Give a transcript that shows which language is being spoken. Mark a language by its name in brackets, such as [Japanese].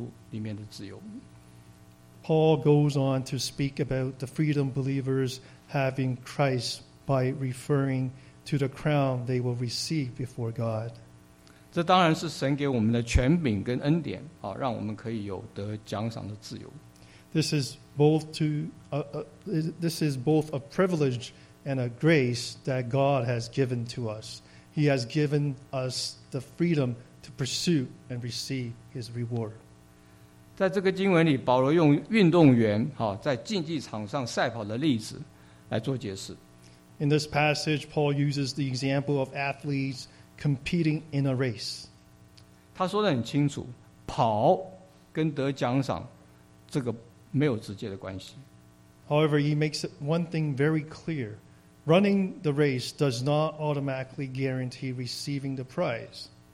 [Chinese] 保罗接着就是用基督徒将来要得神面前的这个冠冕的事情，来谈在主里面的自由。Paul [English] goes on to speak about the freedom believers have in Christ by referring to the crown they will receive before God. [Chinese] 这当然是神给我们的权柄跟恩典，让我们可以有得奖赏的自由。 [English] This is both to this is both a privilege and a grace that God has given to us. He has given us the freedom to pursue and receive his reward. [Chinese] 在这个经文里, 保罗用运动员, 在竞技场上赛跑的例子来做解释。 [English] In this passage, Paul uses the example of athletes competing in a race. [Chinese] 他说得很清楚, 跑跟得奖赏, 这个没有直接的关系。 [English] However, he makes one thing very clear. Running the race does not automatically guarantee receiving the prize.